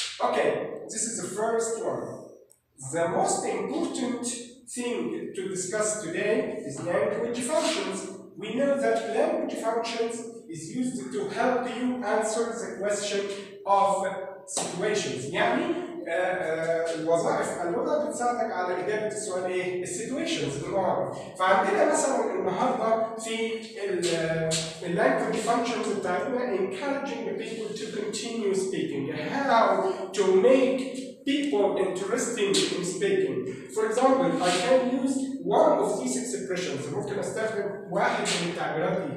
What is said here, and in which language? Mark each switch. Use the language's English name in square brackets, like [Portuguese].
[English] Okay, this is the first one. The most important thing to discuss today is language functions. We know that language functions is used to help you answer the question of situations. [Arabic] يعني الوظائف اللغة بتساعدك على إجابة السؤال إيه؟ situations المعارف. فعندنا مثلا النهاردة في [English] language functions [Arabic] بتاعتنا [English] encouraging people to continue speaking. How to make people interested in speaking. For example, I can use one of these expressions. [Arabic] ممكن استخدم واحد من التعبيرات دي.